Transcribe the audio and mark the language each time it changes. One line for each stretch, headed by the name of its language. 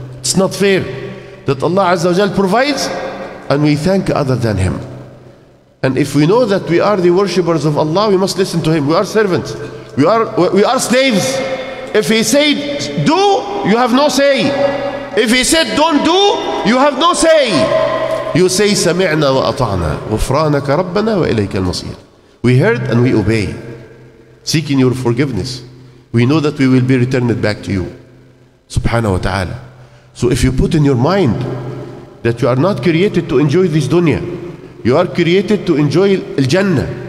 English: It's not fair that Allah Azza wa Jal provides and we thank other than Him. And if we know that we are the worshippers of Allah, we must listen to Him. We are servants. We are slaves. If He said do, you have no say. If He said don't do, you have no say. You say
Arabic: سمعنا وأطعنا غفرانك ربنا وإليك المصير.
English: We heard and we obey, seeking your forgiveness. We know that we will be returned back to you, subhanahu wa ta'ala. So if you put in your mind that you are not created to enjoy this dunya, you are created to enjoy al-jannah.